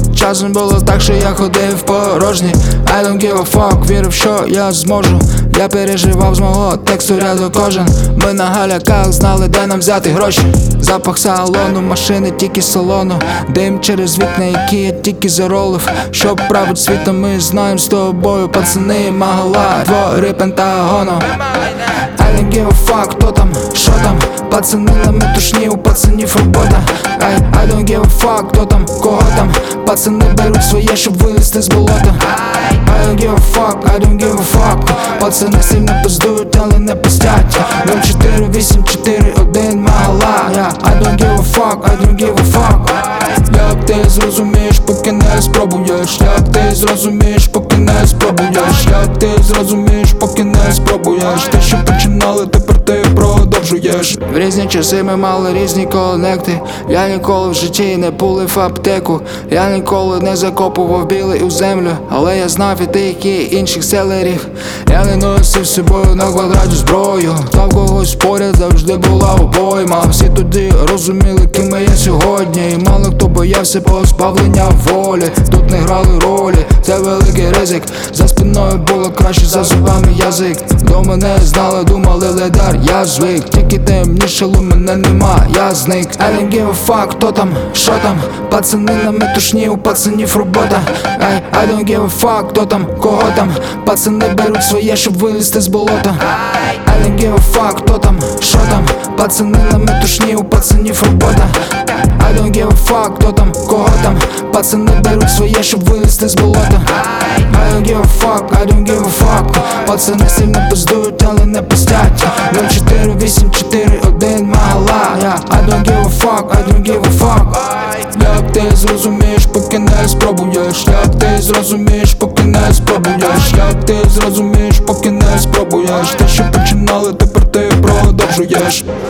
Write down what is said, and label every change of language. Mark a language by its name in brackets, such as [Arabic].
[Ukrainian] Часом було так, що я ходив порожній. [English] I don't give a fuck, [Ukrainian] вірив, що я зможу. Я переживав з мого тексту рядок кожен. Ми на галяках знали, де нам взяти гроші. Запах салону, машини тільки салону. Дим через вікна, які я тільки заролив. Щоб править світом, ми знаємо з тобою. Пацани, магала, твори Пентагону. [English] I don't give a fuck, [Ukrainian] хто там, що там. Пацани на метушні, у пацанів робота. [English] I don't give a fuck, [Ukrainian] хто там, кого там. Пацани беруть своє, щоб вилізти з болота. [English] I don't give a fuck, I don't give a fuck. [Ukrainian] Пацани сильно пиздують, але не пустять. 0-4-8-4-1, мала. [English] I don't give a fuck, I don't give a fuck. [Ukrainian] Як ти зрозумієш, поки не спробуєш. Як ти зрозумієш, поки не спробуєш. Як ти зрозумієш, поки не спробуєш. Те, що починали, тепер ти продовжуєш. В різні часи ми мали різні колонекти. Я ніколи в житті не пулив аптеку. Я ніколи не закопував білий у землю. Але я знав і тих, і інших селерів. Я не носив з собою на квадраті зброю. Та в когось поряд завжди була обойма. Всі тоді розуміли, ким я є сьогодні. І мало хто боявся позбавлення волі. Тут не грали ролі, це великий ризик. За спиною було краще, за зубами язик. До мене знали, думали, ледар, я звик. Тільки темнішало, мене нема, я зник. [English] I don't give a fuck, [Ukrainian] хто там, що там. Пацани на метушні, у пацанів робота. [English] I don't give a fuck, [Ukrainian] хто там, кого там. Пацани беруть своє, щоб вилізти з болота. [English] I don't give a fuck, [Ukrainian] хто там, що там. Пацани на метушні, у пацанів робота. [English] I don't give a fuck, [Ukrainian] хто там, кого там. Пацани беруть своє, щоб вилізти з болота. [English] I don't give a fuck, I don't give a fuck. [Ukrainian] Пацани сильно пиздують, але не пустять. 0-4-8-4-1, мала. [English] I don't give a fuck, I don't give a fuck. [Ukrainian] Як ти зрозумієш, поки не спробуєш. Як ти зрозумієш, поки не спробуєш. Як ти зрозумієш, поки не спробуєш. Те, що починали, тепер ти продовжуєш.